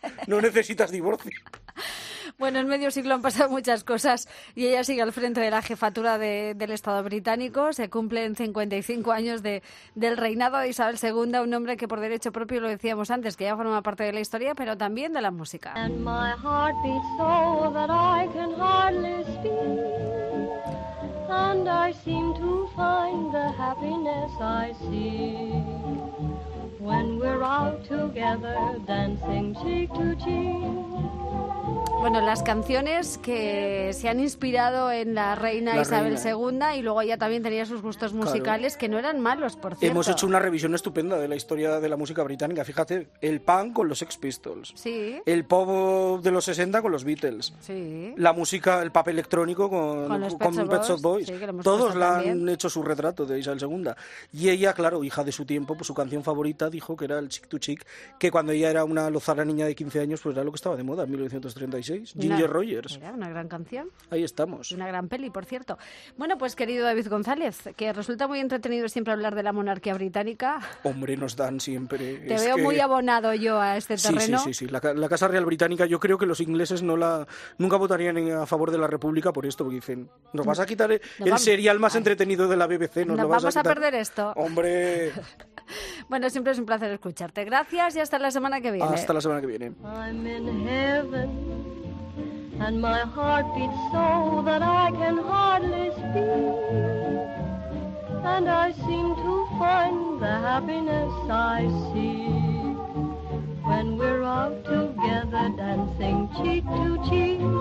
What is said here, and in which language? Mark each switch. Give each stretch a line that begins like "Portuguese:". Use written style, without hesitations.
Spanish: No necesitas divorcio. Bueno, en medio siglo han pasado muchas cosas y ella sigue al frente de la jefatura del Estado británico. Se cumplen 55 años del reinado de Isabel II, un hombre que por derecho propio, lo decíamos antes, que ya forma parte de la historia, pero también de la música.
English: And my heart beats so that I can hardly speak, and I seem to find the happiness I seek. When we're out together, dancing cheek to cheek.
Spanish: Bueno, las canciones que se han inspirado en la reina Isabel II y luego ella también tenía sus gustos musicales, claro, que no eran malos, por cierto. Hemos hecho una revisión estupenda de la historia de la música británica. Fíjate, el punk con los Sex Pistols. Sí. El pop de los 60 con los Beatles. Sí. La música, el pop electrónico con Pet Shop Boys. Sí, que lo hemos todos la también. Han hecho su retrato de Isabel II. Y ella, claro, hija de su tiempo, pues su canción favorita dijo que era el Cheek to Cheek, que cuando ella era una lozana niña de 15 años, pues era lo que estaba de moda en 1936. Ginger Rogers. Mira, una gran canción. Ahí estamos. Una gran peli, por cierto. Bueno, pues querido David González, que resulta muy entretenido siempre hablar de la monarquía británica. Hombre, nos dan siempre. Te es veo que... muy abonado yo a este terreno. Sí, sí, sí, sí. La Casa Real Británica, yo creo que los ingleses nunca votarían a favor de la República por esto, porque dicen, nos vas a quitar el serial más entretenido de la BBC. Nos vamos a perder esto. Hombre. Bueno, siempre es un placer escucharte. Gracias y hasta la semana que viene. Hasta la semana que viene.
English: I'm in heaven. And my heart beats so that I can hardly speak. And I seem to find the happiness I seek. When we're out together dancing cheek to cheek.